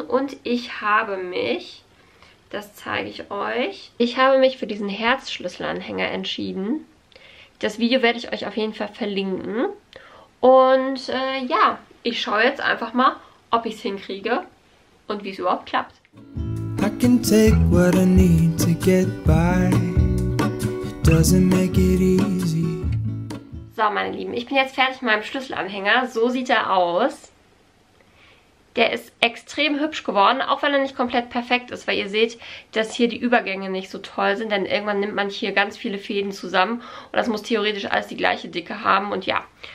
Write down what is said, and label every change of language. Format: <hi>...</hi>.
<de>Und ich habe mich, das zeige ich euch, ich habe mich für diesen Herzschlüsselanhänger entschieden. Das Video werde ich euch auf jeden Fall verlinken. Und ja, ich schaue jetzt einfach mal, ob ich es hinkriege und wie es überhaupt klappt.</de> <en>I can take what I need to get by. It doesn't make it easy.</en> <de>So, meine Lieben, ich bin jetzt fertig mit meinem Schlüsselanhänger. So sieht er aus. Der ist extrem hübsch geworden, auch wenn er nicht komplett perfekt ist, weil ihr seht, dass hier die Übergänge nicht so toll sind, denn irgendwann nimmt man hier ganz viele Fäden zusammen und das muss theoretisch alles die gleiche Dicke haben und ja.</de>